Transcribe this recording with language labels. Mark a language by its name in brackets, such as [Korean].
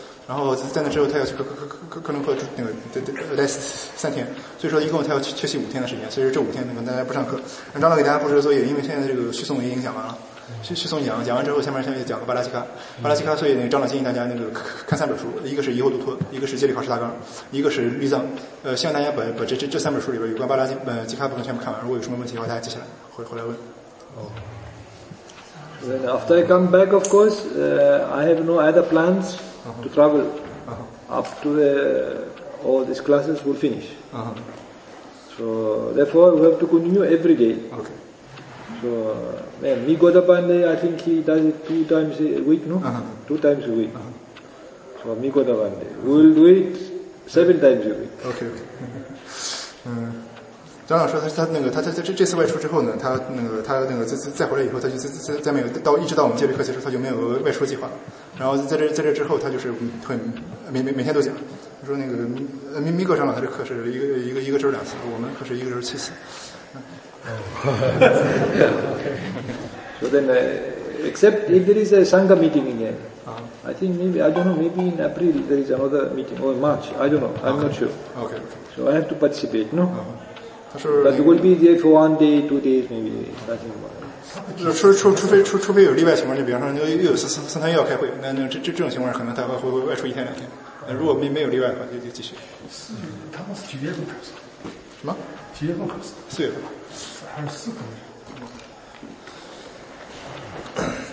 [Chinese] 然后在那之后他要去科隆坡住那个待3天，所以说一共他要缺席5天的时间，所以说这5天那个大家不上课，然后张老给大家布置作业，因为现在这个续诵也已经讲完了，续诵讲完之后，下面讲个巴拉西卡，所以那个张老建议大家那个看3本书，一个是《伊侯杜托》，一个是《戒律考试大纲》，一个是《律藏》，希望大家把这3本书里边有关巴拉基基卡部分全部看完，如果有什么问题的话，大家接下来回来问。 [English] Then after I come back, of course, I have no other plans to travel after all these classes will finish. So therefore, we have to continue every day. Okay. So, man, me Godabande, I think he does it 2 times a week, no? Uh-huh. 2 times a week. Uh-huh. So me Godabande, we'll do it 7 times a week. Okay. Okay. [Chinese] 张老师说他这次外出之后呢，他那个再回来以后，他就再没有到一直到我们戒律课结束，他就没有外出计划。然后在这之后，他就是会每天都讲，他说那个米格张老师的课是一个周2次，我们课是1周7次。 [English] So then, except if there is a Sangha meeting again, I think maybe I don't know, maybe in April there is another meeting or March, I don't know, I'm not sure. Okay. So I have to participate, no? 那个、 But it will be there for 1 day, 2 days, maybe nothing more. [Chinese] 除非有例外情况，就比方说你又有三天要开会，那这种情况可能他会外出1天2天。如果没有例外的话，就继续。他们是9月份开始。什么？ 9月份开始。 4月份。 24个月。